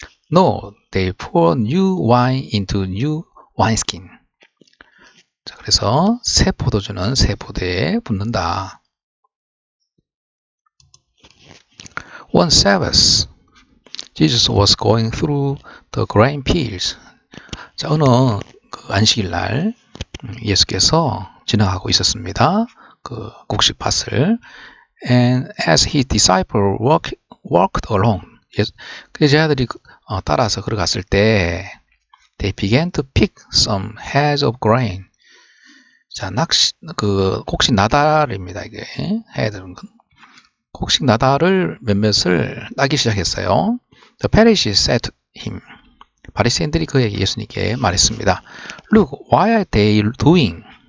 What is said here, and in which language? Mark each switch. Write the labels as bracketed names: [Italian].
[English] No, they pour new wine into new wine skin. [Korean] 자, 그래서 새 포도주는 새 부대에 붙는다. [English] One Sabbath. Jesus was going through the grain fields. [Korean] 자, 어느 그 안식일 날 예수께서 지나가고 있었습니다. 그 곡식 밭을. [English] And as his disciples walked along, [Korean] 그 제자들이 따라서 걸어갔을 때, [English] they began to pick some heads of grain. [Korean] 자, 낙시, 그 곡식 나달입니다. 이게 head는 건 곡식 나달을 몇몇을 따기 시작했어요. [English] The Pharisees said to him, [Korean] 바리새인들이 그에게 예수님께 말했습니다. [English] Look, why are they doing?